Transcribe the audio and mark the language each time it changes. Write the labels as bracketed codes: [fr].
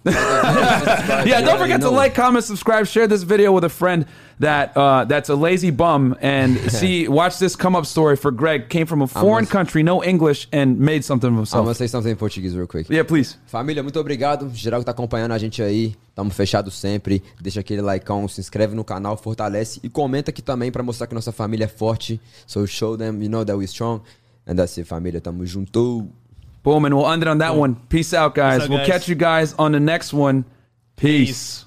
[en] Yeah, don't forget to like, comment, subscribe, share this video with a friend that's a lazy bum, and see, watch this come up story for Greg. Came from a foreign country, no English, and made something of himself. I'm going to say something in Portuguese real quick. Yeah, please. [pt] Família, muito obrigado. Geral que tá acompanhando a gente aí. Tamo fechado sempre. Deixa aquele likeão, se inscreve no canal, fortalece. E comenta aqui também pra mostrar que nossa família é forte. [en] So show them, you know, that we're strong. And that's it, família. [pt] Tamo junto. [en] Boom, and we'll end it on that one. Peace out, guys. We'll catch you guys on the next one. Peace.